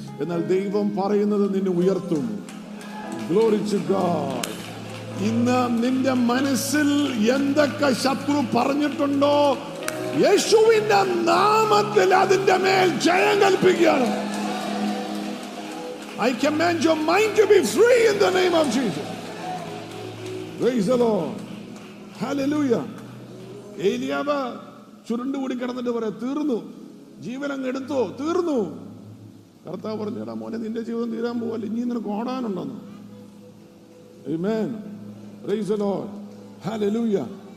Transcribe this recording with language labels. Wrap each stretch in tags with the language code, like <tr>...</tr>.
<ml>എന്നാൽ ദൈവം പറയുന്നത് നിന്നെ ഉയർത്തും. Glory to God. ഇന്ന് നിന്റെ മനസ്സിൽ എന്തൊക്കെ ശത്രു പറഞ്ഞിട്ടുണ്ടോ, യേശുവിന്റെ നാമത്തിൽ അതിന്റെ മേൽ ജയം കൽപ്പിക്കുകയാണ്.</ml> <en>I command your mind to be free in the name of Jesus. Praise the Lord. Hallelujah.</en> <ml>ഏലിയാവ് ചുരുണ്ടു കൂടി കിടന്നിട്ട് പറയാ, തീർന്നു, ജീവൻ അങ്ങ് എടുത്തോ, തീർന്നു. കർത്താവ് പറഞ്ഞു, എടാ മോനെ, നിന്റെ ജീവിതം തീരാൻ പോവല്ല, ഇനി നിനക്ക് ഓടാനുണ്ടെന്ന്.</ml> <en>Amen. Praise the Lord. Hallelujah.</en>